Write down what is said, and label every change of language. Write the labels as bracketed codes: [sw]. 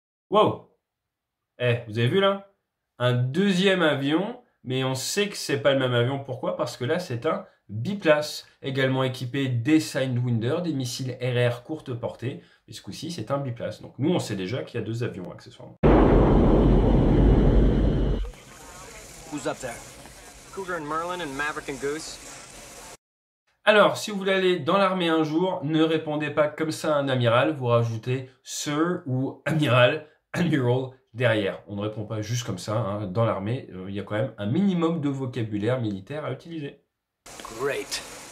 [fr] Wow! Eh, vous avez vu là? Un deuxième avion, mais on sait que c'est pas le même avion. Pourquoi? Parce que là, c'est un biplace. Également équipé des Sidewinder, des missiles RR courte portée. Mais ce coup-ci, c'est un biplace. Donc nous, on sait déjà qu'il y a deux avions accessoirement. [en] Who's up there? Cougar and Merlin and Maverick and Goose. [fr] Alors, si vous voulez aller dans l'armée un jour, ne répondez pas comme ça à un amiral, vous rajoutez « sir » ou « amiral »,« admiral » derrière. On ne répond pas juste comme ça, hein. Dans l'armée, il y a quand même un minimum de vocabulaire militaire à utiliser. [en] Great.